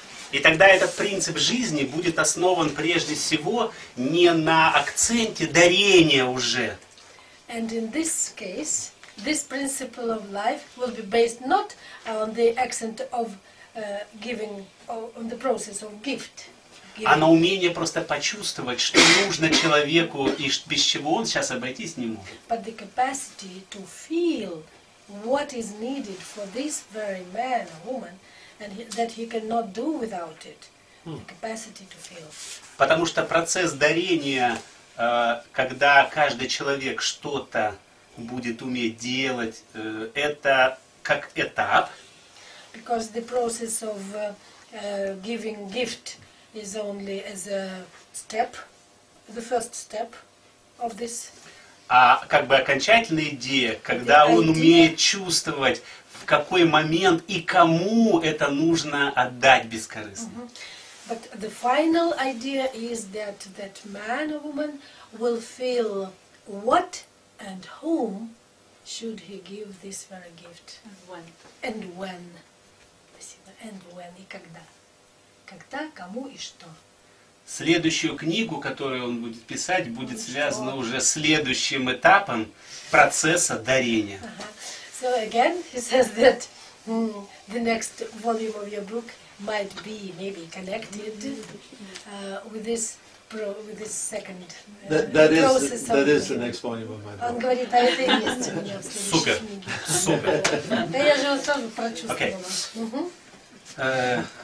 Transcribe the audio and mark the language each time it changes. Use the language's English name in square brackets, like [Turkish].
[Russian] И тогда этот принцип жизни будет основан прежде всего не на акценте дарения уже. [English] And in this case, this principle of life will be based not on the accent of giving, or on the process of gift. [Russian] А на умение просто почувствовать, что нужно человеку и без чего он сейчас обойтись не может. [English] But the capacity to feel what is needed for this very man or woman and that he cannot do without it. The capacity to feel. [Russian] Потому что процесс дарения, когда каждый человек что-то будет уметь делать, это как этап. [English] Because the process of giving gift is only as a step, the first step of this. [Russian] А как бы окончательная идея, когда он умеет чувствовать, в какой момент и кому это нужно отдать бескорыстно. [English] But the final idea is that man or woman will feel what and whom should he give this very gift. And when, [Russian] и когда. Когда, кому и что. Следующую книгу, которую он будет писать, будет связана уже с следующим этапом процесса дарения. [English] So again, he says that the next volume of your book might be maybe connected with this second process. That is the next volume of my book. [Russian] Он говорит, а это и есть у меня в следующей книге. Супер. Да я же его сразу прочувствовала.